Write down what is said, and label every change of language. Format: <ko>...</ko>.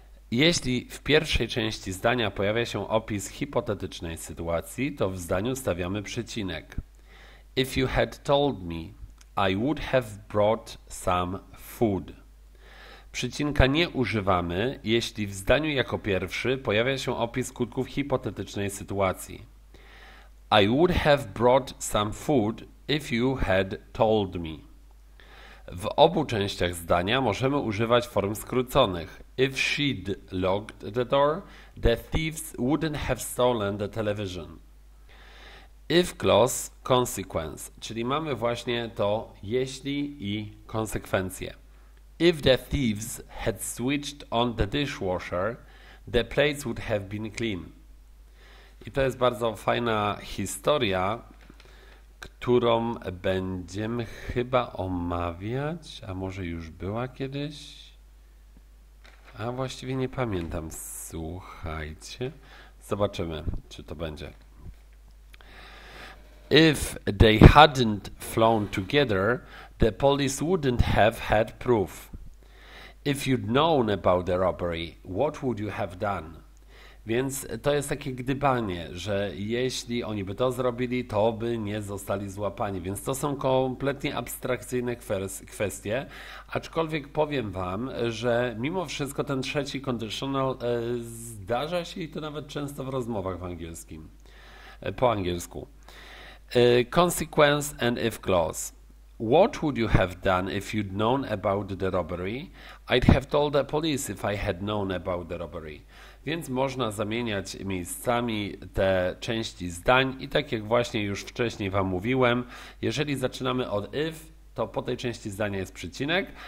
<pl>Jeśli w pierwszej części zdania pojawia się opis hipotetycznej sytuacji, to w zdaniu stawiamy przecinek.</pl> <en>If you had told me, I would have brought some food.</en> <pl>Przecinka nie używamy, jeśli w zdaniu jako pierwszy pojawia się opis skutków hipotetycznej sytuacji.</pl> <en>I would have brought some food if you had told me.</en> <pl>W obu częściach zdania możemy używać form skróconych.</pl> <en>If she'd locked the door, the thieves wouldn't have stolen the television.</en> <pl>If clause, consequence, czyli mamy właśnie to jeśli i konsekwencje.</pl> <en>If the thieves had switched on the dishwasher, the plates would have been clean.</en> <pl>I to jest bardzo fajna historia, którą będziemy chyba omawiać, a może już była kiedyś? A właściwie nie pamiętam, słuchajcie. Zobaczymy, czy to będzie.</pl> <en>If they hadn't flown together, the police wouldn't have had proof. If you'd known about the robbery, what would you have done?</en> <pl>Więc to jest takie gdybanie, że jeśli oni by to zrobili, to by nie zostali złapani. Więc to są kompletnie abstrakcyjne kwestie. Aczkolwiek powiem Wam, że mimo wszystko ten trzeci conditional zdarza się i to nawet często w rozmowach w angielskim, po angielsku.</pl> <en>Consequence and if clause. What would you have done if you'd known about the robbery? I'd have told the police if I had known about the robbery.</en> <pl>Więc można zamieniać miejscami te części zdań i tak jak właśnie już wcześniej Wam mówiłem, jeżeli zaczynamy od if, to po tej części zdania jest przecinek.</pl>